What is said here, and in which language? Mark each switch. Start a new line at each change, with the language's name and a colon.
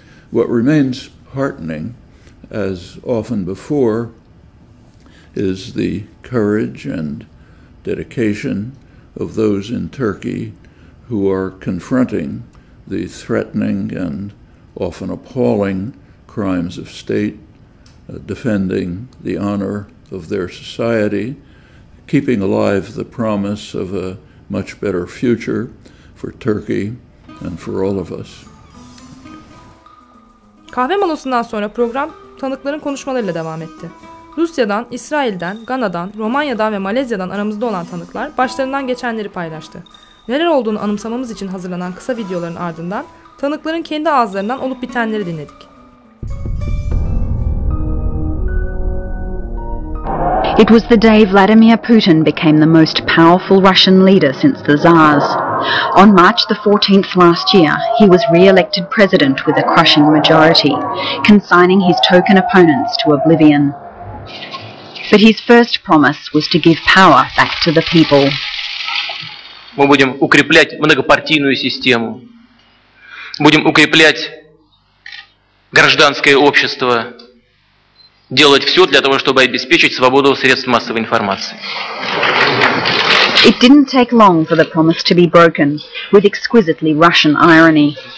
English: What remains heartening, as often before, is the courage and dedication of those in Turkey who are confronting the threatening and often appalling crimes of state, defending the honor of their society, keeping alive the promise of a much better future for Turkey and for all of us.
Turkish: Kahve molasından sonra program tanıkların konuşmalarıyla devam etti. Rusya'dan, İsrail'den, Gana'dan, Romanya'dan ve Malezya'dan aramızda olan tanıklar başlarından geçenleri paylaştı. Neler olduğunu anımsamamız için hazırlanan kısa videoların ardından tanıkların kendi ağızlarından olup bitenleri dinledik.
English: It was the day Vladimir Putin became the most powerful Russian leader since the Tsars. On March the 14th last year, he was re-elected president with a crushing majority, consigning his token opponents to oblivion. But his first promise was to give power back to the people.
Russian: Мы будем укреплять многопартийную систему. Будем укреплять гражданское общество. Делать все для того, чтобы обеспечить свободу средств массовой информации.
English: It didn't take long for the promise to be broken with exquisitely Russian irony.